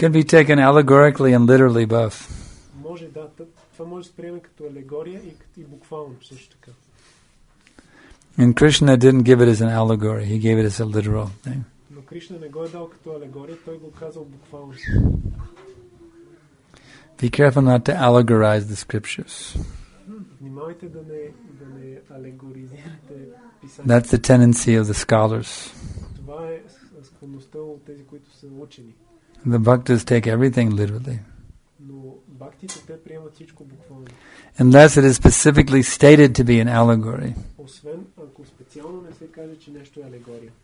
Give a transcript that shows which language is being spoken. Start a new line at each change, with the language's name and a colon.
English: Can be taken allegorically and literally both.
Bulgarian: Може да, това може да приеме като алегория и буквално също така.
English: And Krishna didn't give it as an allegory. He gave it as a literal thing.
Bulgarian: Но Кришна не го е дал като алегория, той го казал буквално.
English: Be careful not to allegorize the scriptures.
Bulgarian: Внимавайте да не алегоризирате писанието.
English: That's the tendency of the scholars.
Bulgarian: Това е склонността от тези, които са учени.
English: The bhaktas take everything literally.
Bulgarian: Но бхактите, те приемат всичко буквално.
English: Unless it is specifically stated to be an allegory.
Bulgarian: Освен ако специално не се каже, че нещо е алегория.